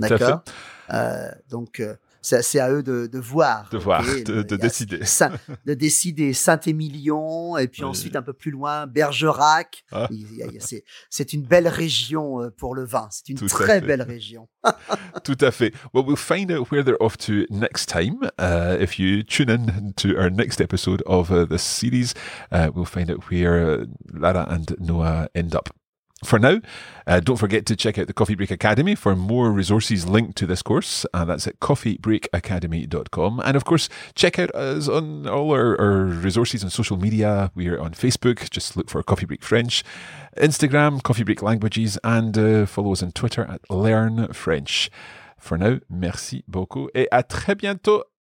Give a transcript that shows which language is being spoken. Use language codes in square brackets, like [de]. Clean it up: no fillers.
[fr] d'accord. À fait. Donc, c'est à eux de voir. De voir, okay, de décider. De décider Saint-Émilion, et puis oui. Ensuite un peu plus loin, Bergerac. Ah. C'est une belle région pour le vin. C'est une Tout très belle région. Tout à fait. [en] Well, we'll find out where they're off to next time. If you tune in to our next episode of the series, we'll find out where Lara and Noah end up. For now, don't forget to check out the Coffee Break Academy for more resources linked to this course. That's at coffeebreakacademy.com. And of course, check out us on all our resources on social media. We are on Facebook. Just look for Coffee Break French. Instagram, Coffee Break Languages. And follow us on Twitter at Learn French. For now, [fr] merci beaucoup et à très bientôt.